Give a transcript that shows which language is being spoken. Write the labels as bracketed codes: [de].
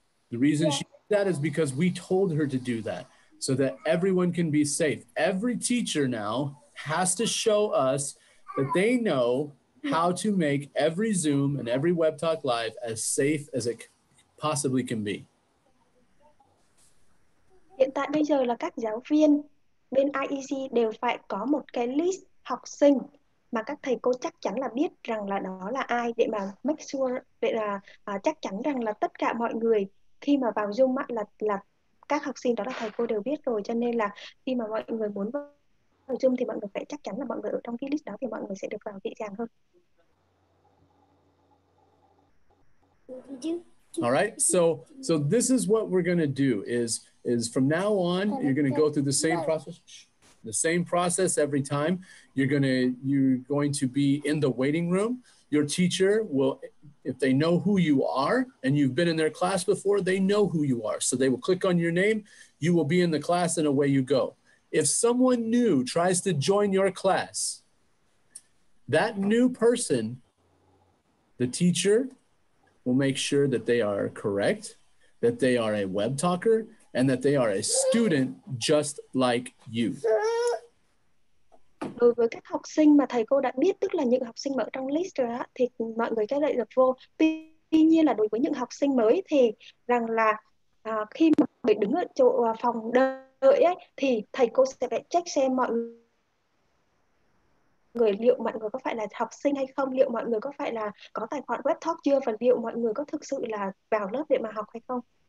[en] The reason she did that is because we told her to do that so that everyone can be safe. Every teacher now has to show us that they know how to make every Zoom and every WebTalk Live as safe as it possibly can be. [vi] Hiện tại bây giờ là các giáo viên bên IEC đều phải có một cái list học sinh mà các thầy cô chắc chắn là biết rằng là đó là ai, để mà make sure, để là chắc chắn rằng là tất cả mọi người khi mà vào Zoom là các học sinh đó là thầy cô đều biết rồi. Cho nên là khi mà mọi người muốn vào Zoom thì mọi người phải chắc chắn là mọi người ở trong cái list đó thì mọi người sẽ được vào dễ dàng hơn. [en] All right, so this is what we're going to do is from now on, you're going to go through the same process, every time. You're going to be in the waiting room. Your teacher will, if they know who you are and you've been in their class before, they know who you are. So they will click on your name. You will be in the class and away you go. If someone new tries to join your class, that new person, the teacher, we'll make sure that they are correct, that they are a web talker, and that they are a student just like you. [vi] Đối với các học sinh mà thầy cô đã biết, tức là những học sinh mà ở trong list rồi á, thì mọi người sẽ lại được vô. Tuy nhiên là đối với những học sinh mới thì rằng là khi mà người đứng ở chỗ phòng đợi ấy, thì thầy cô sẽ phải check xem mọi người liệu mọi người có phải là học sinh hay không, liệu mọi người có phải là có tài khoản web talk chưa, và liệu mọi người có thực sự là vào lớp để mà học hay không.